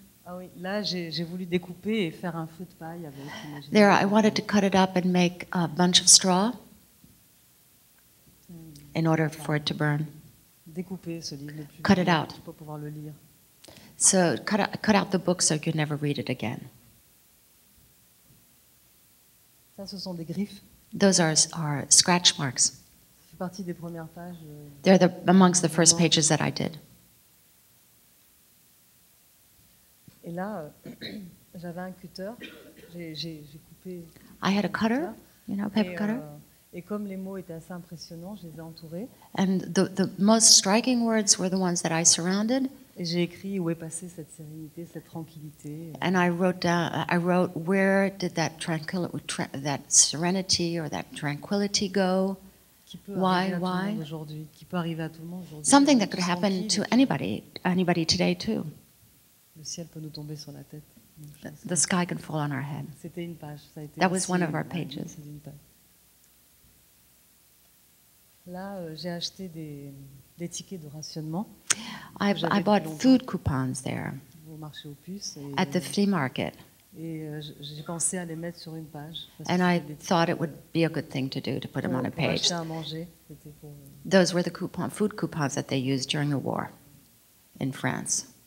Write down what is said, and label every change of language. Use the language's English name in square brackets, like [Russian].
[French] Ah oui, là j'ai voulu découper et faire un feu de paille avec. [English] There, I wanted to cut it up and make a bunch of straw in order for it to burn. [French] Découper ce livre. [English] Cut it out. [French] Pour pouvoir le lire. [English] So cut out the book so you can never read it again. [French] Ça, ce sont des griffes. [English] Those are scratch marks. [French] C'est partie des premières pages. [English] They're amongst the first pages that I did. [French] Et là, j'avais un cutter. J'ai coupé. [English] I had a cutter, you know, paper cutter. [French] Et comme les mots étaient assez impressionnants, je les ai entourés. [English] And the most striking words were the ones that I surrounded. [French] Et j'ai écrit où est passée cette sérénité, cette tranquillité. [English] And I wrote where did that that serenity or that tranquility go? Why? [French] Aujourd'hui, qui peut arriver à tout le monde aujourd'hui? [English] Something that could happen to anybody today too. [French] Le ciel peut nous tomber sur la tête. [English] The sky can fall on our head. [French] C'était une page. Ça a été. [English] That was one of our pages. [French] Là, j'ai acheté des tickets de rationnement. [English] I bought food coupons there. [French] Au marché aux puces. [English] At the flea market. [French] Et j'ai pensé à les mettre sur une page. [English] And I thought it would be a good thing to do to put them on a page. [French] Pour acheter à manger. C'était pour. [English] Those were the food coupons that they used during the war in France.